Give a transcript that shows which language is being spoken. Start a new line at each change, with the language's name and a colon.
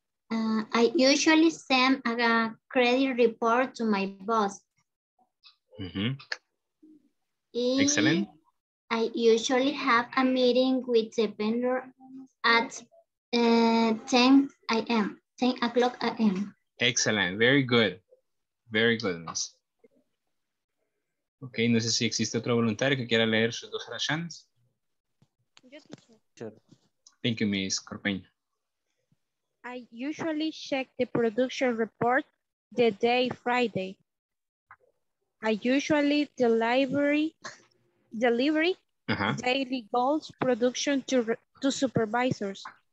English: I usually send a credit report to my boss. Excellent. I usually have a meeting with the vendor at 10 o'clock a.m. Excellent. Very good. Very good, Miss.
Spanish: Ok, no sé si existe otro voluntario que quiera leer sus dos oraciones.
English: Thank you, Miss Corpeña. I usually check the production report the day Friday. I usually delivery daily goals production to supervisors.